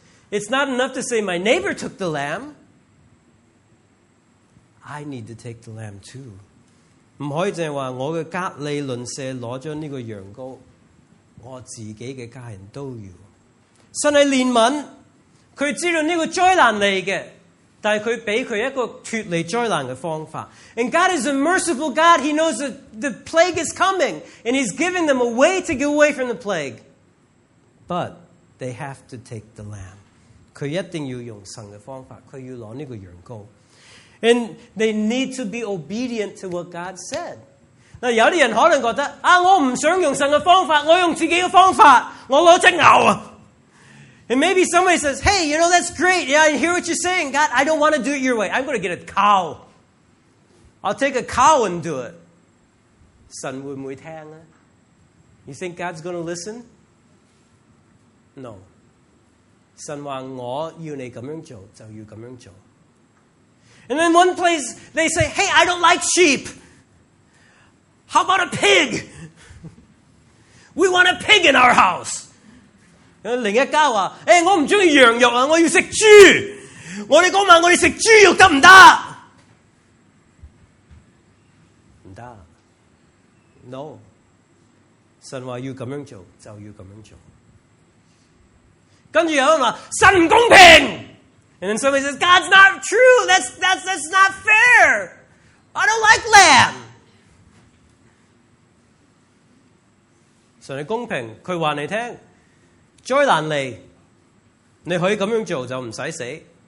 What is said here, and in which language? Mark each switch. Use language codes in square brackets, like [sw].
[en] It's not enough to say, my neighbor took the lamb. I need to take the lamb too. [zh] 不可以只说我的隔离邻舍拿了这个羊羔, 我自己的家人都要. 神是怜悯, 他知道这个灾难来的, 但他给他一个脱离灾难的方法. [en] And God is a merciful God. He knows that the plague is coming. And He's giving them a way to get away from the plague. But they have to take the lamb. [zh] 他一定要用神的方法, 他要拿这个羊羔. [en] And they need to be obedient to what God said. [zh] 那有些人可能觉得, 啊, 我不想用神的方法, 我用自己的方法, 我拿只牛. [en] And maybe somebody says, hey, you know, that's great. Yeah, I hear what you're saying. God, I don't want to do it your way. I'm going to get a cow. I'll take a cow and do it. [zh] 神会不会听啊? [en] You think God's going to listen? No. [zh] 神说我要你这样做,就要这样做. [en] And then one place, they say, hey, I don't like sheep. How about a pig? We want a pig in our house. [zh] 另一家说, 欸, 我不喜欢羊肉啊, 我要吃猪, 我们那晚, 我们吃猪肉, 行不行? 行不行? No. 神说要这样做, 就要这样做. 跟着有人说, 神不公平! [en] And then somebody says, God's not true, that's not fair. I don't like lamb. [zh] 神是公平, 他告诉你, 灾难来, 你可以这样做就不用死。